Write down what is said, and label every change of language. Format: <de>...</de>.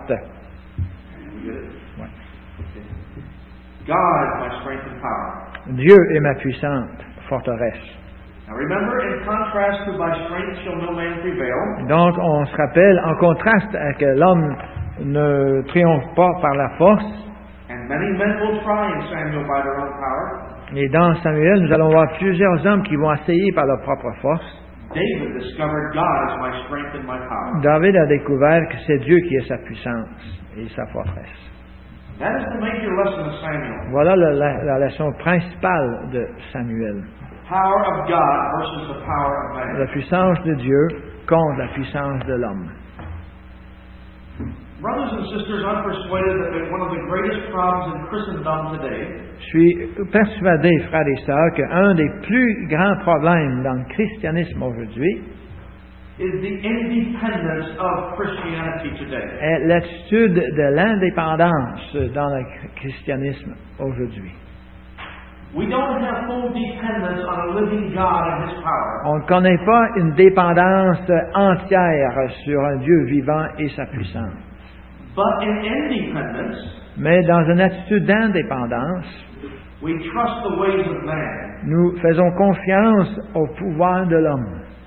<fr>Ouais.</fr> <en>God is my strength and power.</en> <fr>Dieu est ma puissante forteresse.</fr> <en>Now remember, in contrast to by strength shall no man prevail.</en> <fr>Donc, on se rappelle, en contraste à que l'homme ne triomphe pas par la force.</fr> <en>And many men will try in Samuel by their own power.</en> <fr>Et dans Samuel, nous allons voir plusieurs hommes qui vont essayer par leur propre force.</fr> <en>David discovered God is my strength and my power.</en> <fr>David a découvert que c'est Dieu qui est sa puissance et sa forteresse.</fr> <en>That is the major lesson of Samuel.</en> <fr>Voilà la leçon principale de Samuel.</fr> <en>Power of God versus the power of man.</en> <fr>La puissance de Dieu contre la puissance de l'homme.</fr> <en>Brothers and sisters, I'm persuaded that one of the greatest problems in Christendom today.</en> <fr>Je suis persuadé, frères et sœurs, que un des plus grands problèmes dans le christianisme aujourd'hui</fr> <en>is the independence of Christianity today.</en> <fr>Est l'attitude de l'indépendance dans le christianisme aujourd'hui.</fr> <en>We don't have full dependence on a living God and His power.</en> <fr>On ne connaît pas une dépendance entière sur un Dieu vivant et sa puissance.</fr> <en>But in independence,</en> <fr>mais dans une attitude d'indépendance,</fr> <en>we trust the ways of man.</en> <fr>Nous faisons confiance au pouvoir de l'homme.</fr>